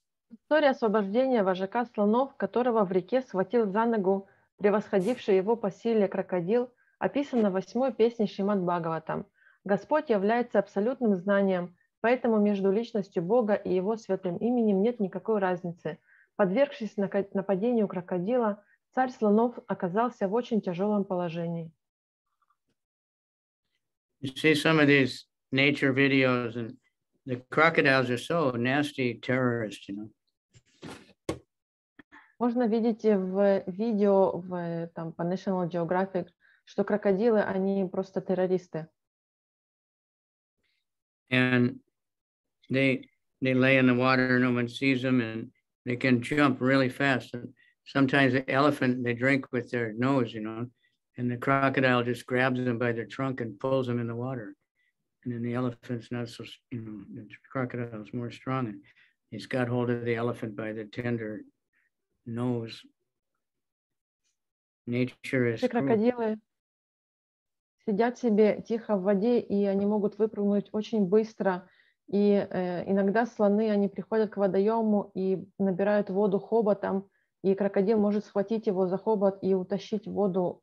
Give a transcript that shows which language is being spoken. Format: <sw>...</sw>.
<ru>История освобождения вожака слонов, которого в реке схватил за ногу превосходивший его по силе крокодил, описана в восьмой песне Шримад Бхагаватам. Господь является абсолютным знанием, поэтому между личностью Бога и его святым именем нет никакой разницы. Подвергшись нападению крокодила, царь слонов оказался в очень тяжелом положении.</ru> <en>You see some of these nature videos and the crocodiles are so nasty terrorists, you know.</en> <ru>Можно видеть в видео в там по National Geographic, что крокодилы, они просто террористы.</ru> <en>And they lay in the water, no one sees them, and they can jump really fast. And sometimes the elephant, they drink with their nose, you know, and the crocodile just grabs them by their trunk and pulls them in the water. And then the elephant's not so, you know, the crocodile's more strong, and he's got hold of the elephant by the tender nose. Nature is cruel.</en> <ru>Сидят себе тихо в воде, и они могут выпрыгнуть очень быстро. И иногда слоны, они приходят к водоему и набирают воду хоботом, и крокодил может схватить его за хобот и утащить в воду.</ru>